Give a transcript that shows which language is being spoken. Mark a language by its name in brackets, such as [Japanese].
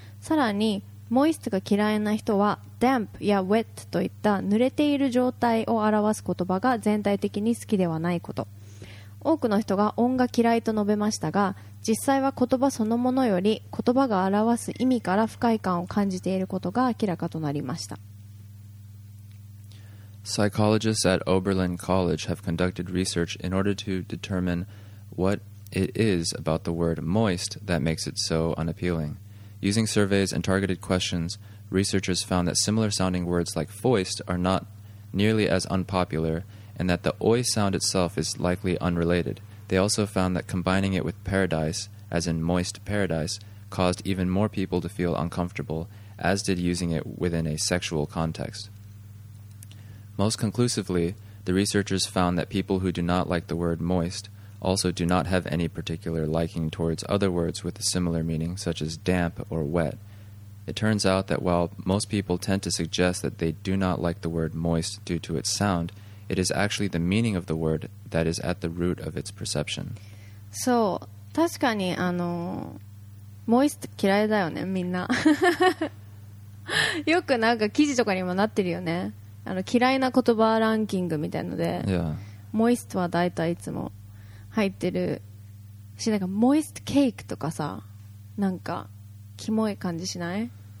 [Japanese] さらに Moist が嫌いな人は Damp や Wet といった濡れている状態を表す言葉が全体的に好きではないこと。多くの人が音が嫌いと述べましたが実際は言葉そのものより言葉が表す意味から不快感を感じていることが明らかとなりました。 [English] Psychologists at Oberlin College have conducted research in order to determine what it is about the word moist that makes it so unappealing. Using surveys and targeted questions, researchers found that similar sounding words like foist are not nearly as unpopular and that the oi sound itself is likely unrelated. They also found that combining it with paradise, as in moist paradise, caused even more people to feel uncomfortable, as did using it within a sexual context. Most conclusively, the researchers found that people who do not like the word moist also do not have any particular liking towards other words with a similar meaning, such as damp or wet. It turns out that while most people tend to suggest that they do not like the word moist due to its sound,It is actually the meaning of the word that is at the root of its perception. [Japanese] そう、確かにモイスト嫌いだよね、みんな。よくなんか記事とかにもなってるよね。嫌いな言葉ランキングみたいので、 [English] yeah. [Japanese] モイストはだいたいいつも入ってるし、なんかモイストケーキとかさ、なんかキモい感じしない？